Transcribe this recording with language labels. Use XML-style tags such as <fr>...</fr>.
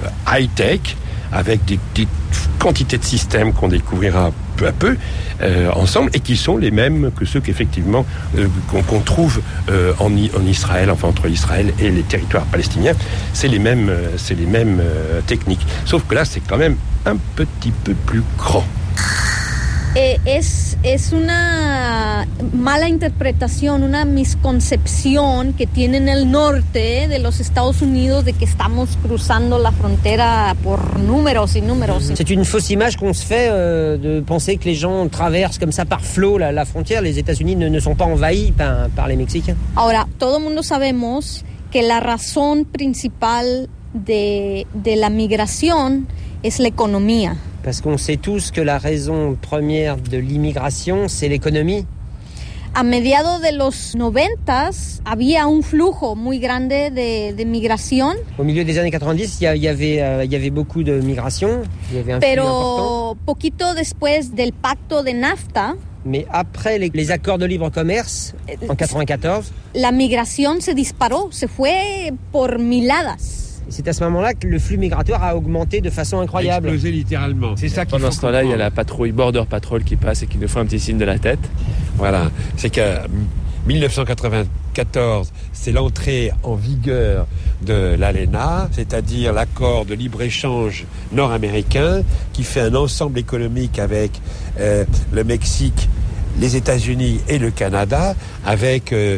<fr>high-tech, avec des quantités de systèmes qu'on découvrira peu à peu ensemble, et qui sont les mêmes que ceux qu'effectivement qu'on trouve en Israël, enfin entre Israël et les territoires palestiniens. C'est les mêmes techniques, sauf que là c'est quand même un petit peu plus grand.</fr> <es>Et es una mala interpretación, una misconcepción que tienen el norte de los Estados Unidos de que estamos cruzando la frontera por números y números.</es> <fr>C'est une fausse image qu'on se fait de penser que les gens traversent comme ça par flot la frontière. Les États-Unis ne sont pas envahis par les Mexicains.</fr> <es>Ahora, todo el mundo sabemos que la razón principal de la migración es la economía.</es> <fr>Parce qu'on sait tous que la raison première de l'immigration, c'est l'économie.</fr> <es>A mediados de los 90, había un flujo muy grande de migración.</es> <fr>Au milieu des années 90, il y avait beaucoup de migration. Il y avait un flux important.</fr> <es>Pero poquito después del pacto de NAFTA.</es> <fr>Mais après les accords de libre commerce en 94.</fr> <es>La migración se disparó, se fue por miladas.</es> <fr>C'est à ce moment-là que le flux migratoire a augmenté de façon incroyable. Explosé littéralement. C'est ça qui. Pendant ce temps-là, il y a la patrouille Border Patrol qui passe et qui nous fait un petit signe de la tête. Voilà. C'est que 1994, c'est l'entrée en vigueur de l'ALENA, c'est-à-dire l'accord de libre-échange nord-américain qui fait un ensemble économique avec le Mexique, les États-Unis et le Canada, avec</fr>